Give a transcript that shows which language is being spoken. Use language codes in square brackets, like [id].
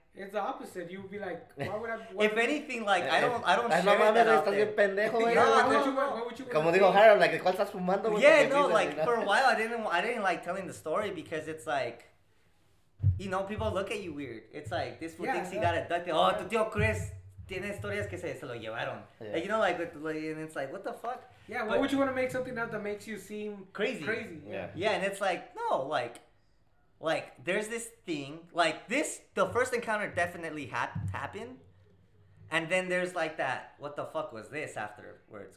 [en] It's the opposite. You would be like, why would I? If anything, like, I don't share that out there. No, like, [es] ¿cuál estás fumando? [en] Yeah, no, like, for a while, I didn't like telling the story because it's like, you know, people look at you weird. It's like, this fool thinks he got abducted. [es] Oh, tu tío Chris tiene historias que se lo llevaron. [en] Yeah. You know, like, and it's like, what the fuck? Yeah, why would you want to make something up that makes you seem crazy? Yeah. Yeah, and it's like, no, like. Like, there's this thing, like, this, the first encounter definitely happened, and then there's, like, that, what the fuck was this afterwards?